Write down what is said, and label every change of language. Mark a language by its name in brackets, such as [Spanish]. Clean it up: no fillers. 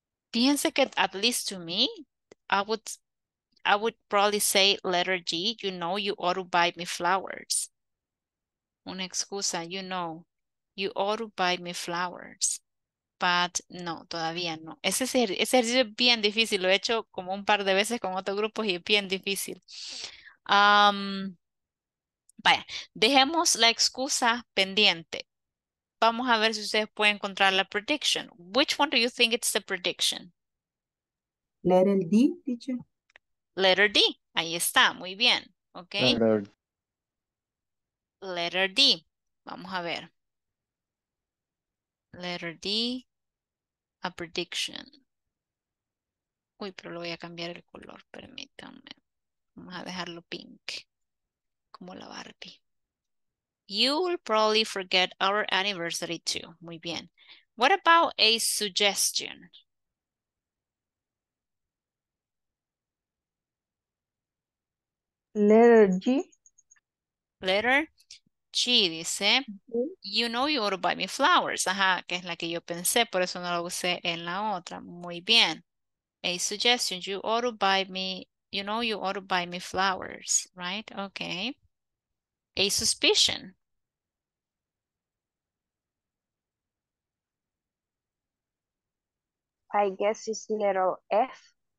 [Spanish] Piense que [English] at least to me, I would probably say letter G, you know, you ought to buy me flowers. [Spanish] Una excusa, [English] you know, you ought to buy me flowers. But [Spanish] no, todavía no. Ese ejercicio es bien difícil, lo he hecho como un par de veces con otros grupos y es bien difícil. Vaya, dejemos la excusa pendiente. Vamos a ver si ustedes pueden encontrar la prediction. [English] Which one do you think it's the prediction? Letter D, teacher. Letter D. [Spanish] Ahí está. Muy bien. Okay. [English] Letter D. [Spanish] Vamos a ver. [English] Letter D. A prediction. [Spanish] Uy, pero lo voy a cambiar el color. Permítanme. Vamos a dejarlo pink. Como la Barbie. [English] You will probably forget our anniversary too. [Spanish] Muy bien. [English] What about a suggestion? Letter G. Letter G [Spanish] dice, [English] you know you ought to buy me flowers. [Spanish] Ajá, que es la que yo pensé, por eso no la usé en la otra. Muy bien. [English] A suggestion. You ought to buy me, you know you ought to buy me flowers, right? Okay. A suspicion. I guess it's little F.